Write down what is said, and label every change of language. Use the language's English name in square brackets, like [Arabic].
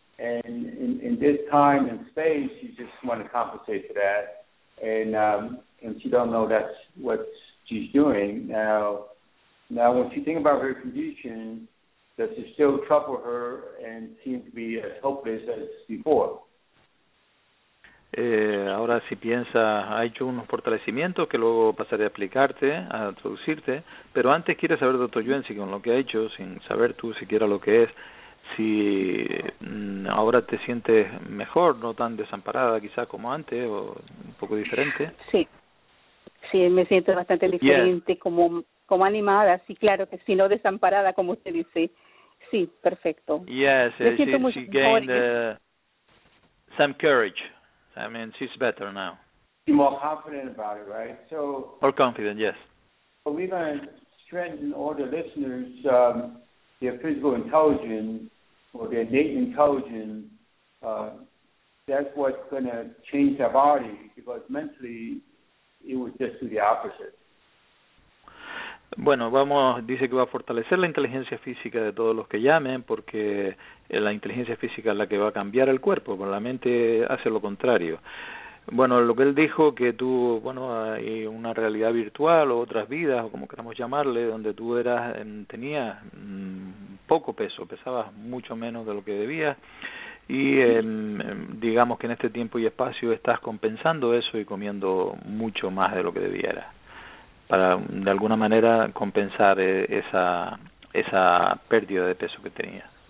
[English] And in this time and space, she just want to compensate for that, and she don't know that's what she's doing now. Now, when she think about her condition, does it still trouble her and seem to be as hopeless as before? [Spanish] Ahora si piensas, ha hecho unos fortalecimientos que luego pasaré a explicarte, a traducirte, pero antes quiere saber, doctor Yuen, si con lo que ha hecho, sin saber tú siquiera lo que es, si ahora te sientes mejor, no tan desamparada quizás como antes o un poco diferente. Sí, me siento bastante diferente, como animada, sí, claro que sí, no desamparada, como usted dice. Sí, perfecto. [English] Yes, [Spanish] me siento [English] she gained some courage. I mean, she's better now. Be more confident about it, right? So. More confident, yes. So we're going to strengthen all the listeners, their physical intelligence or their innate intelligence. That's what's going to change their body, because mentally it would just do the opposite. [Spanish] Bueno, vamos, dice que va a fortalecer la inteligencia física de todos los que llamen, porque la inteligencia física es la que va a cambiar el cuerpo, pero la mente hace lo contrario. Bueno, lo que él dijo, que tú, bueno, hay una realidad virtual o otras vidas, o como queramos llamarle, donde tú eras, tenías poco peso, pesabas mucho menos de lo que debías, y digamos que en este tiempo y espacio estás compensando eso y comiendo mucho más de lo que debieras, para de alguna manera compensar esa pérdida de peso que tenía.